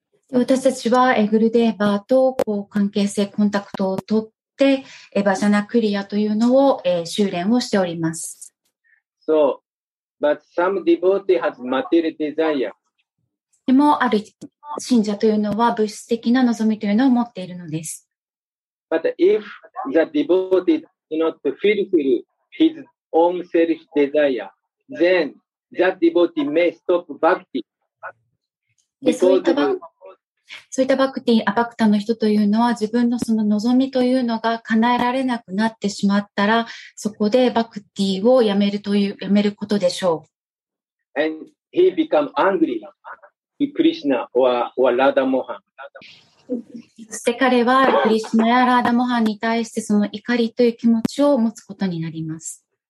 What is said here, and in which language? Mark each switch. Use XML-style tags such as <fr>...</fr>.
<ja>私たちはエグルデーバーとこう関係性コンタクトを取ってエバジャナクリアというのを、修練をしております。</ja> <en>So, but some devotee has material desire.</en> <ja>でもある信者というのは物質的な望みというのを持っているのです。</ja> <en>But if the devotee does not fulfill his own selfish desire, then that devotee may stop bhakti.</en> <ja>でそういったバクティ、アバクタの人というのは自分のその望みというのが叶えられなくなってしまったらそこでバクティをやめるというやめることでしょう。</ja> <en>And he become angry with Krishna or Radha Mohan.</en> <ja>そして彼はクリシナやラーダモハンに対してその怒りという気持ちを持つことになります。</ja>